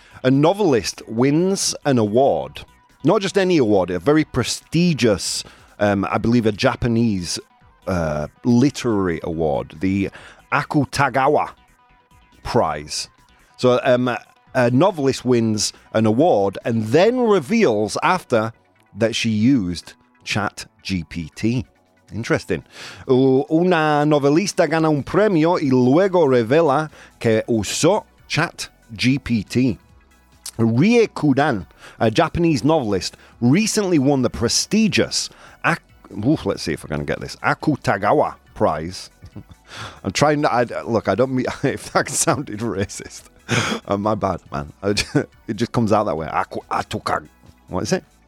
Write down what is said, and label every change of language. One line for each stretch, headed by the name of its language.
English: A novelist wins an award, not just any award, a very prestigious, I believe a Japanese literary award, the Akutagawa Prize. So a novelist wins an award and then reveals after that she used ChatGPT. Interesting.
Spanish: Una novelista gana un premio y luego revela que usó ChatGPT.
English: Rie Kudan, a Japanese novelist, recently won the prestigious... let's see if we're going to get this. Akutagawa Prize. I'm trying to... if that sounded racist. My bad, man. It just comes out that way. What is it?